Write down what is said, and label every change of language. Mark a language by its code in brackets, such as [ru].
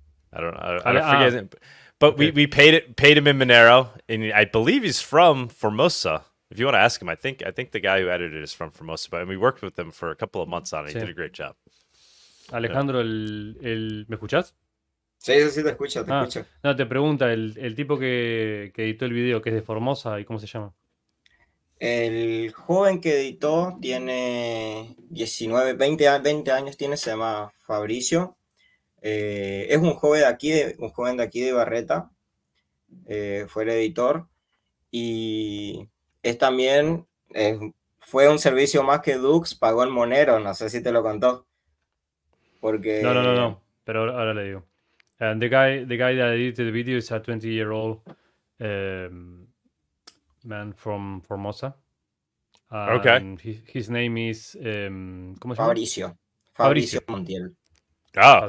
[en] I forget. But okay. we paid him in Monero, and I believe he's from Formosa. If you want to ask him, I think the guy who edited it is from Formosa. But we worked with him for a couple of months on it. He did a great job. [es] Alejandro, [en] yeah. [es] ¿Me escuchas? Sí, te escucho, te escucho. No, te pregunta el tipo que editó el video, que es de Formosa, ¿y cómo se llama? El joven que editó tiene 20 años tiene, se llama Fabricio. Es un joven de aquí, Barreta. Fue el editor. Y es también, fue un servicio más que Dux, pagó en Monero, no sé si te lo contó. Porque... No. Pero ahora le digo. [en] And the guy that edited the video is a 20-year-old man from Formosa. Okay. His name is [es] ¿cómo se llama? Fabricio. Fabricio Montiel. Oh.